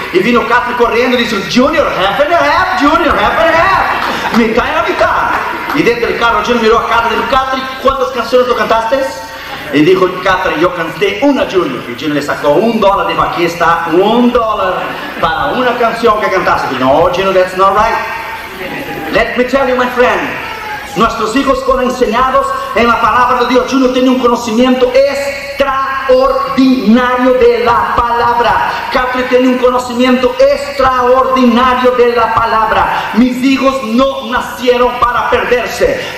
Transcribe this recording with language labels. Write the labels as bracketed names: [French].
[Spanish] Y vino Catherine corriendo y dijo, Junior, [English] half and half, Junior, half and half. [Spanish] Mitad y la mitad. Y dentro del carro Junior miró a Catherine y dijo, Catherine, ¿cuántas canciones tú cantaste? Y dijo, Catherine, yo canté una, Junior. Y Junior le sacó $1 y dijo, aquí está $1 para una canción que cantaste. Dijo, no, [English] Junior, that's not right. Let me tell you, my friend. [Spanish] Nuestros hijos fueron enseñados en la palabra de Dios. Junior tiene un conocimiento extraordinario de la palabra. Catherine tiene un conocimiento extraordinario de la palabra. Mis hijos no nacieron para perderse.